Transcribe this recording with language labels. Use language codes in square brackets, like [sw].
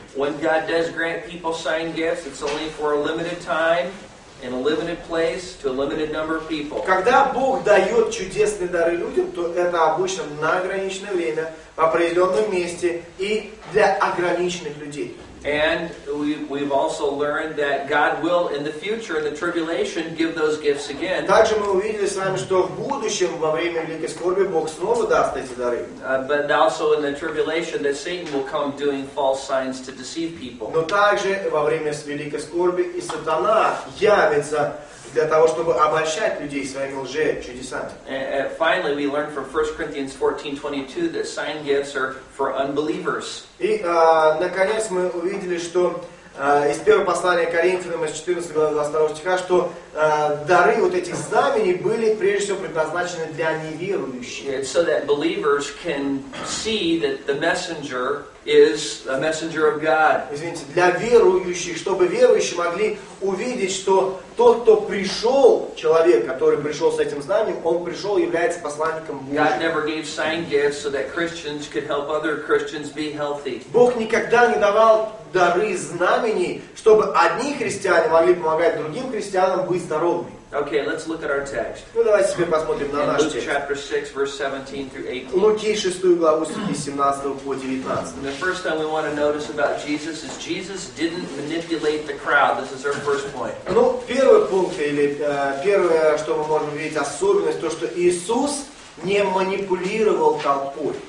[en] When God does grant people sign gifts, it's only for a limited time. in a limited place to a limited number of people. [ru] Когда Бог дает чудесные дары людям, то это обычно на ограниченное время, в определенном месте и для ограниченных людей. [en] And we've also learned that God will, in the future, in the tribulation, give those gifts again. [ru] Также мы увидели с вами, что в будущем во время великой скорби Бог снова даст эти дары. [en] But also in the tribulation, that Satan will come doing false signs to deceive people. [ru] Но также во время великой скорби и сатана явится для того, чтобы обольщать людей своими лжечудесами. [en] Finally, we learn from 1 Corinthians 14:22 that sign gifts are for unbelievers. [ru] И наконец мы увидели, что из первого послания Коринфянам из 14 глава 2 стиха, что дары вот этих знамений были прежде всего предназначены для неверующих. [en] It's so that believers can see that the messenger is a messenger of God. [ru] Извините, для верующих, чтобы верующие могли увидеть, что тот, кто пришел, человек, который пришел с этим знамением, он пришел и является посланником Божьим. [en] God never gave sign gifts so that Christians could help other Christians be healthy. [ru] Бог никогда не давал дары знамений, чтобы одни христиане могли помогать другим христианам быть здоровыми. [en] Okay, let's look at our text. [ru] Ну, давайте теперь посмотрим на наш текст. [en] Chapter 6, verse 17 through 18. [ru] Луки, 6 главу, стихи 17 по 19. [en] The first thing we want to notice about Jesus is Jesus didn't manipulate the crowd. This is our first point. [ru] Ну, первый пункт, или первое, что мы можем видеть, особенность, то, что Иисус не манипулировал толпой.